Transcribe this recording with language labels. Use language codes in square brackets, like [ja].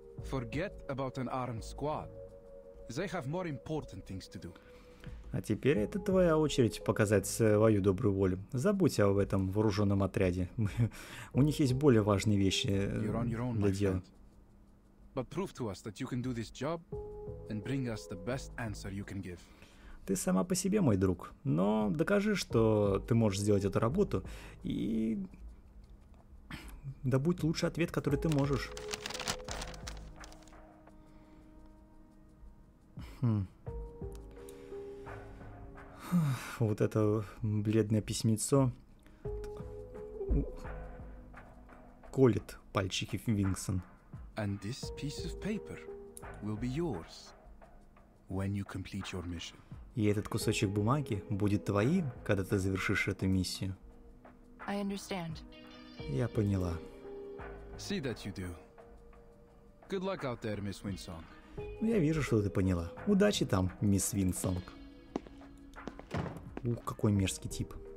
[en] Forget about an armed squad. They have more important things to do. [ru] А теперь это твоя очередь показать свою добрую волю. Забудь об этом вооруженном отряде. У них есть более важные вещи для дела. [en] But prove to us that you can do this job and bring us the best answer you can give. [ru] Ты сама по себе, мой друг, но докажи, что ты можешь сделать эту работу и добудь лучший ответ, который ты можешь. Вот это бледное письмецо колет пальчики Винксон. [en] And this piece of paper will be yours when you complete your mission. [ru] И этот кусочек бумаги будет твоим, когда ты завершишь эту миссию. [en] I understand. [ru] Я поняла. [en] See that you do. Good luck out there, Miss Winsong. [ru] Я вижу, что ты поняла. Удачи там, мисс Винсонг. Ух, какой мерзкий тип.